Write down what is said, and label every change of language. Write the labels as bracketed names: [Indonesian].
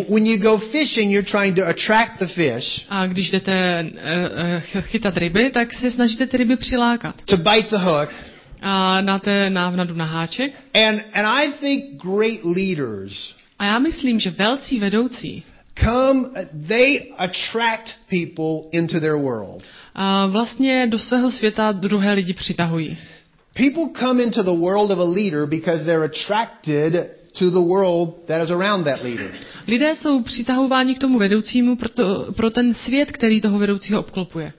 [English] When you go fishing, you're trying to attract the fish. [Czech] A když jdete chytat ryby, tak se snažíte ty ryby přilákat. [English] To bite the hook. [Czech] A dáte návnadu na háček. [English] And I think great leaders. [Czech] A já myslím, že velcí vedoucí. [English] Come, they attract people into their world. [Czech] A vlastně do svého světa druhé lidi přitahují. [English] People come into the world of a leader because they're attracted to the world that is around that leader. [Czech] Lidé jsou přitahováni k tomu vedoucímu pro ten svět, který toho vedoucího obklopuje.